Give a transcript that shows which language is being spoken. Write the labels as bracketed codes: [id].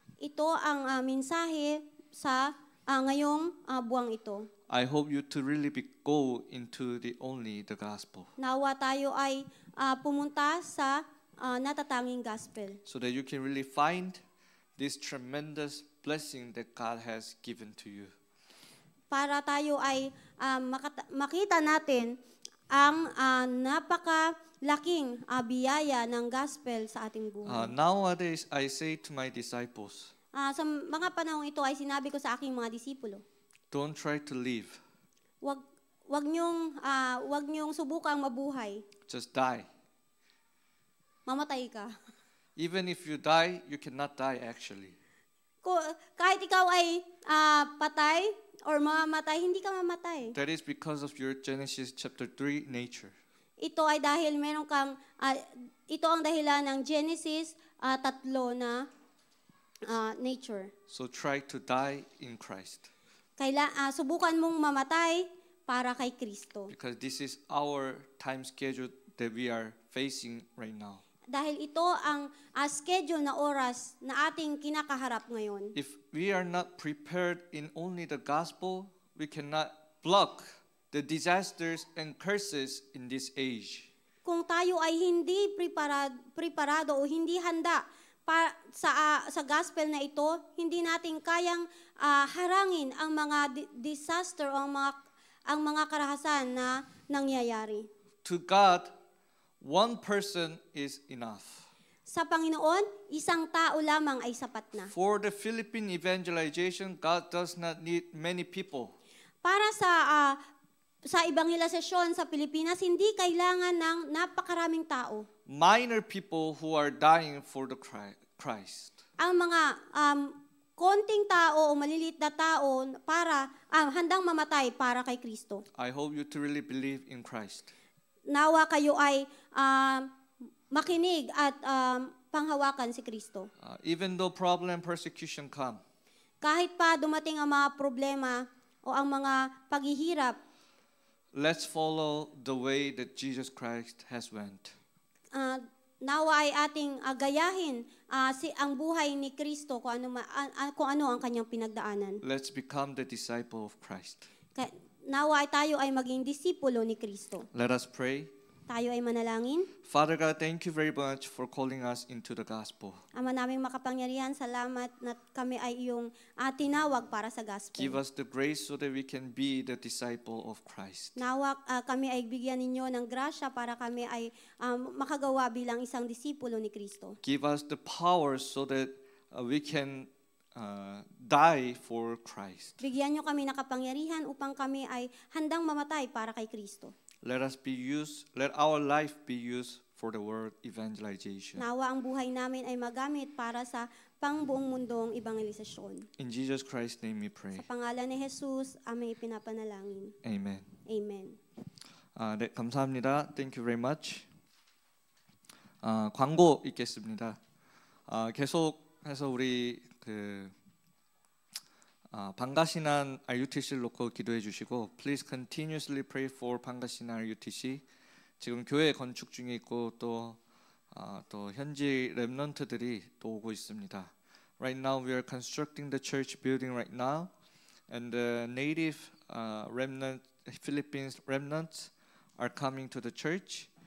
[tl] Ito ang mensahe sa ngayong buwang ito. [en] I hope you to really go into the gospel. [tl] Nawa tayo ay pumunta sa natatanging gospel. [en] So that you can really find this tremendous blessing that God has given to you. [tl] Para tayo ay makita natin ang napakalaking biyaya ng gospel sa ating buhay. [en] Nowadays, I say to my disciples, [tl] sa mga panahon ito ay sinabi ko sa aking mga disipulo, [en] don't try to live. [tl] Wag niyong subukang mabuhay. [en] Just die. [tl] Mamatay ka. [en] Even if you die, you cannot die actually. [tl] Kahit ikaw ay patay, or mamatay, hindi ka mamatay. [en] That is because of your Genesis chapter 3 nature. [tl] Ito ay dahil meron kang ito ang dahilan ng Genesis 3 na nature. [en] So try to die in Christ. [tl] Subukan mong mamatay para kay Kristo. [en] Because this is our time schedule that we are facing right now. [tl] Dahil ito ang schedule na oras na ating kinakaharap ngayon. [en] If we are not prepared in only the gospel, we cannot block the disasters and curses in this age. [tl] Kung tayo ay hindi preparado o hindi handa sa gospel na ito, hindi natin kayang harangin ang mga disaster o ang mga karahasan na nangyayari. [en] To God, one person is enough. [tl] Sa Panginoon, isang tao lamang ay sapat na. [en] For the Philippine evangelization, God does not need many people. [tl] Para sa ebanghelasyon sa Pilipinas, hindi kailangan ng napakaraming tao. [en] Minor people who are dying for the Christ. [tl] Ang mga konting tao o maliliit na tao para handang mamatay para kay Kristo. [en] I hope you to really believe in Christ. [tl] Nawa kayo ay makinig at panghawakan si Kristo. [en] Even though problem and persecution come, [tl] kahit pa dumating ang mga problema o ang mga paghihirap, [en] let's follow the way that Jesus Christ has went. [tl] Nawa ay ating gayahin si ang buhay ni Kristo kung ano ang kanyang pinagdaanan. [en] Let's become the disciple of Christ. [tl] Nawa ay tayo ay maging disipulo ni Kristo. [en] Let us pray. [tl] Tayo ay manalangin. [en] Father God, thank you very much for calling us into the gospel. [tl] Ama naming makapangyarihan, salamat na kami ay iyong tinawag para sa gospel. [en] Give us the grace so that we can be the disciple of Christ. [tl] Nawa kami ay bigyan ninyo ng grasya para kami ay makagawa bilang isang disipulo ni Kristo. [en] Give us the power so that we can die for Christ. [tl] Bigyan niyo kami ng kapangyarihan upang kami ay handang mamatay para kay Kristo. [en] Let us be used, let our life be used for the world evangelization. [tl] Nawa ang buhay namin ay magamit para sa pangbuong mundong ebanghelisasyon. [en] In Jesus Christ's name we pray. [tl] Sa pangalan ni Jesus, aming ipinapanalangin. Amen. Amen. [ko] Kamsahamnida. [en] Thank you very much. [ko] 광고 있겠습니다. 계속해서 우리 Pangasinan RUTC 놓고 기도해 주시고 [en] please continuously pray for Pangasinan RUTC. [ko] 지금 교회 건축 중에 있고 또 현지 렘넌트들이 또 오고 있습니다. [en] Right now we are constructing the church building right now, and the native remnant Philippines remnants are coming to the church.